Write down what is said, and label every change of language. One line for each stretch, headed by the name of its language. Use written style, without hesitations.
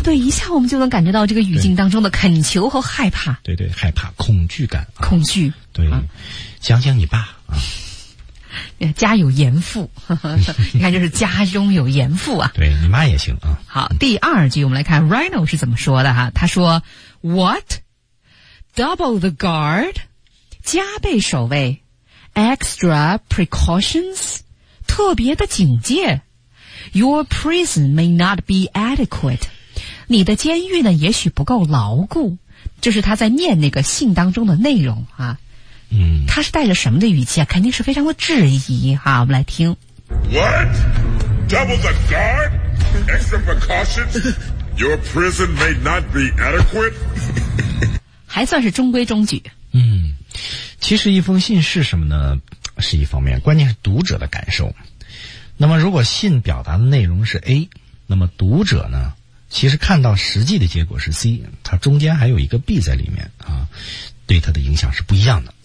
Chinese: 对，一下我们就能感觉到这个语境当中的恳求和害怕。对，害怕、恐惧感、啊、恐惧。对，啊，想想你爸啊。家有严父，你看，就是家中有严父啊。对你妈也行啊。好，第二句我们来看 Rhino 是怎么说的哈。他说 ：
English: “What? Double the guard，
Chinese: 加倍守卫
English: ，extra precautions，
Chinese: 特别的警戒。
English: Your prison may not be adequate，
Chinese: 你的监狱呢也许不够牢固。” 就是他在念那个信当中的内容啊。嗯，他是带着什么的语气啊？肯定是非常的质疑哈。我们来听。
English: What? Double the guard? Extra precautions? Your prison may not be adequate?
Chinese: 还算是中规中矩。嗯，其实一封信是什么呢？是一方面，关键是读者的感受。那么如果信表达的内容是 A， 那么读者呢？其实看到实际的结果是 C， 它中间还有一个 B 在里面啊，对他的影响是不一样的。